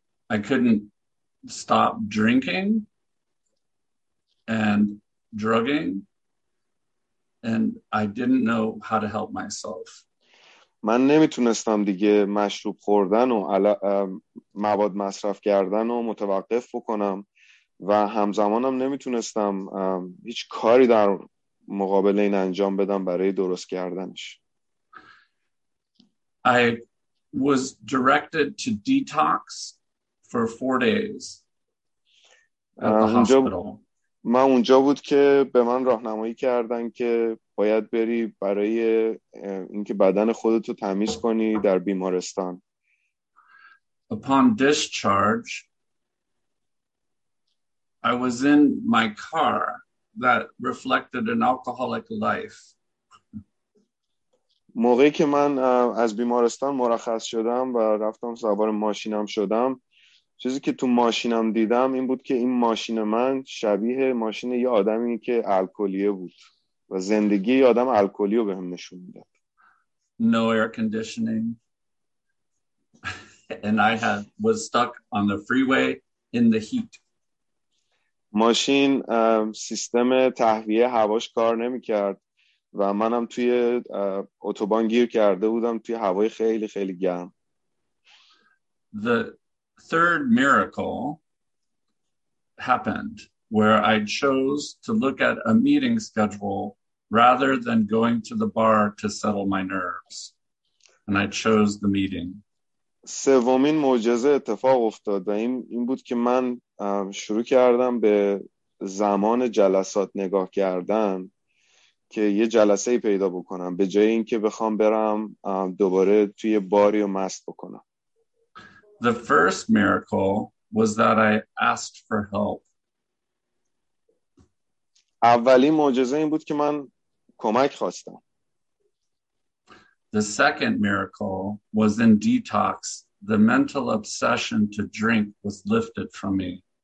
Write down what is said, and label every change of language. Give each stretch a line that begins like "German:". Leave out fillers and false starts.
English: I couldn't stop drinking and drugging and I didn't know how to help myself.
Persian: من نمیتونستم دیگه مشروب خوردن و مواد مصرف کردن و متوقف بکنم و همزمانم نمیتونستم هیچ کاری در مقابل این انجام بدم برای درست کردنش.
English: I was directed to detox for 4 days at the hospital.
Persian: من اونجا بود که به من راهنمایی کردن که باید بری برای اینکه بدن خودتو تمیز کنی در بیمارستان.
English: Upon discharge, I was in my car that reflected an alcoholic life.
Persian: موقعی که من از بیمارستان مرخص شدم و رفتم سوار ماشینم شدم، چیزی که تو ماشینم دیدم این بود که این ماشین من شبیه ماشین یه آدمی که الکلیه بود و زندگی یه آدم الکلی رو به هم نشون میداد.
English: No air conditioning. And I had was stuck on the freeway in the heat.
Persian: ماشین سیستم تهویه هواش کار نمی کرد و منم توی اتوبان گیر کرده بودم توی هوای خیلی خیلی گرم.
English: The third miracle happened where I chose to look at a meeting schedule rather than going to the bar to settle my nerves. And I chose the meeting.
Persian: سومین معجزه اتفاق افتاد و این بود که من شروع کردم به زمان جلسات نگاه کردن که یه جلسه پیدا بکنم به جای اینکه بخوام برم دوباره توی باری و مست بکنم.
English: The first miracle was that I asked for help.
Persian: اولین معجزه این بود که من کمک خواستم.
English: The second miracle was in detox. The mental obsession to drink was lifted from me.